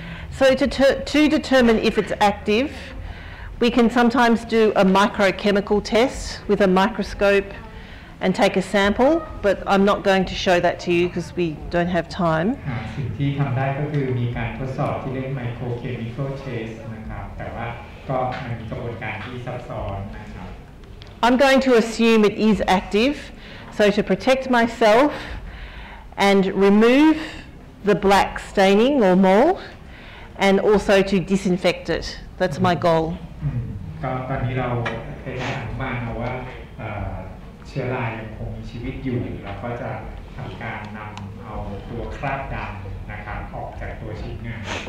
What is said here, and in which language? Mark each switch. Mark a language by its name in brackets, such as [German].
[English] So to determine if it's active, we can sometimes do a microchemical test with a microscope and take a sample, but I'm not going to show that to you because we don't have time. [Thai] สิ่งที่ทำได้ก็คือมีการทดสอบที่เรียก microchemical test นะครับแต่ว่าก็มันกระบวนการที่ซับซ้อนนะครับ [English] I'm going to assume it is active, so to protect myself and remove the black staining or mold,and also to disinfect it. That's my goal. [Thai] ตอนนี้เราพยายามมากเพราะว่าเชื้อรายังคงมีชีวิตอยู่แล้วก็จะทำการนำเอาตัวคราบดำนะครับออกจากตัวชิ้นงาน